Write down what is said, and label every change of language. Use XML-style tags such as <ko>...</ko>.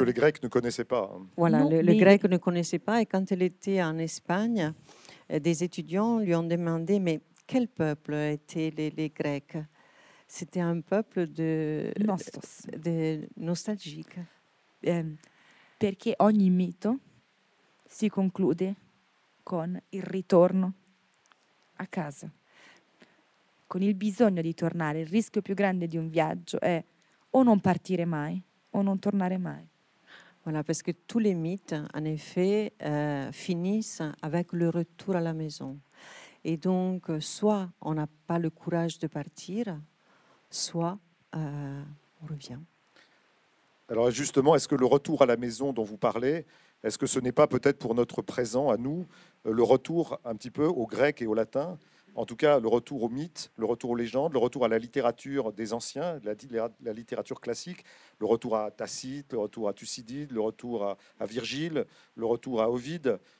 <fr>les Grecs ne connaissaient pas. Voilà, les Grecs ne connaissaient pas. Et quand elle était en Espagne, des étudiants lui ont demandé, mais quel peuple étaient les Grecs? C'était un peuple de nostalgique.</fr> <it>Perché ogni mito si conclude con il ritorno a casa, con il bisogno di tornare. Il rischio più grande di un viaggio è o non partire mai o non tornare mai.</it> <fr>Voilà, parce que tous les mythes, en effet, finissent avec le retour à la maison. Et donc, soit on n'a pas le courage de partir, soit on revient. Alors justement, est-ce que le retour à la maison dont vous parlez, est-ce que ce n'est pas peut-être pour notre présent à nous, le retour un petit peu au grec et au latin, en tout cas le retour au mythe, le retour aux légendes, le retour à la littérature des anciens, la littérature classique, le retour à Tacite, le retour à Thucydide, le retour à Virgile, le retour à Ovide,</fr>